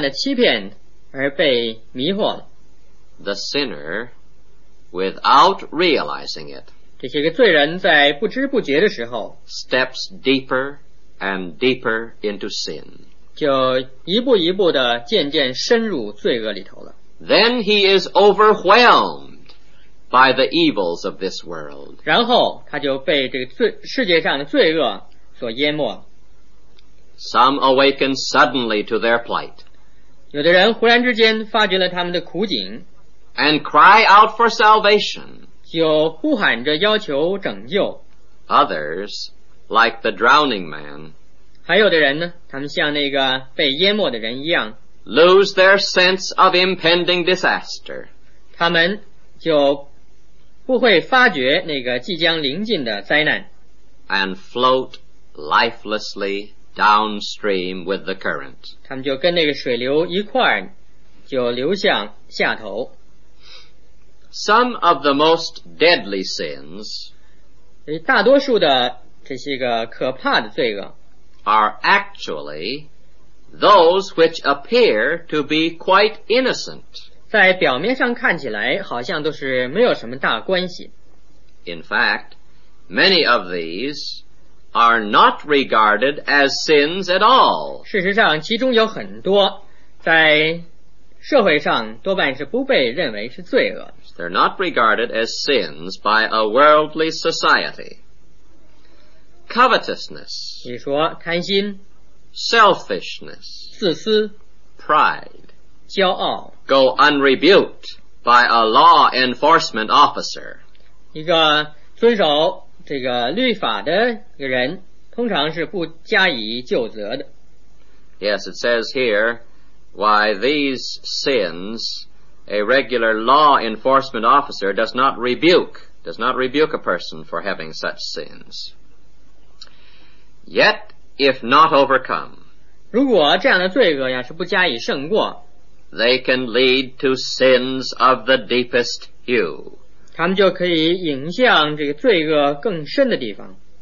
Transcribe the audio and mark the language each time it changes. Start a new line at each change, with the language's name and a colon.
Chinese: 由于撒旦的欺骗而被迷惑了。
English: The sinner, without realizing it,
Chinese: 这些个罪人在不知不觉的时候,
English: steps deeper and deeper into sin.
Chinese: 就一步一步地渐渐深入罪恶里头了。
English: Then he is overwhelmed by the evils of this world.
Chinese: 然后他就被这个世界上的罪恶所淹没。
English: Some awaken suddenly to their plight.
Chinese: 有的人忽然之间发觉了他们的苦境。
English: And cry out for salvation.
Chinese: 就呼喊着要求拯救。
English: Others, like the drowning man.
Chinese: 还有的人呢,他们像那个被淹没的人一样。
English: Lose their sense of impending disaster. 他们就不会发觉那个即将临近的灾难。 And float lifelessly downstream with the current.
Chinese: 他们就跟那个水流一块就流向下头。
English: Some of the most deadly sins,
Chinese: 大多数的这些个可怕的罪恶
English: are actually those which appear to be quite innocent.
Chinese: 在表面上看起来好像都是没有什么大关系。
English: In fact, many of these are not regarded as sins at all.
Chinese: 事实上其中有很多在社会上多半是不被认为是罪恶。
English: They're not regarded as sins by a worldly society. Covetousness.
Chinese: 你说贪心。
English: Selfishness.
Chinese: 自私。
English: Pride.
Chinese: 骄傲。
English: Go unrebuked by a law enforcement officer.
Chinese: 一个遵守这个律法的一个人通常是不加以救责的。
English: Yes, it says here, why these sins, a regular law enforcement officer does not rebuke a person for having such sins. Yet, if not overcome,
Chinese: 如果这样的罪恶要是不加以胜过,
English: they can lead to sins of the deepest hue.
Chinese: 他们就可以引向这个罪恶更深的地方。